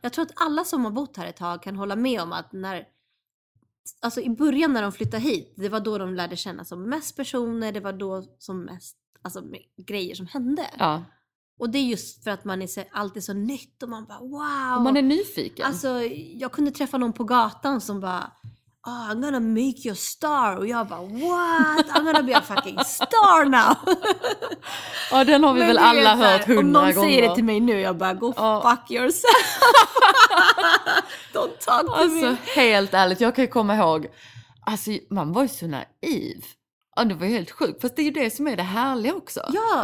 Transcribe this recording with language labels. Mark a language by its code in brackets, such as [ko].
[sv] Jag tror att alla som har bott här ett tag kan hålla med om att när... Alltså i början när de flyttade hit, det var då de lärde känna som mest personer. Det var då som mest, alltså grejer som hände. Ja. Och det är just för att man är alltid så nytt och man bara, wow. Och man är nyfiken. Alltså, jag kunde träffa någon på gatan som bara, [en] oh, I'm gonna make you a star. [sv] Och jag bara, [en] what? I'm gonna be a fucking star now. [sv] Ja, den har vi väl alla hört 100 gånger. Om någon säger det till mig nu, jag bara, [en] fuck yourself. Don't talk to me. [sv] Alltså, helt ärligt, jag kan ju komma ihåg, alltså, man var ju så naiv. Ja, det var ju helt sjukt. Fast det är ju det som är det härliga också. Ja.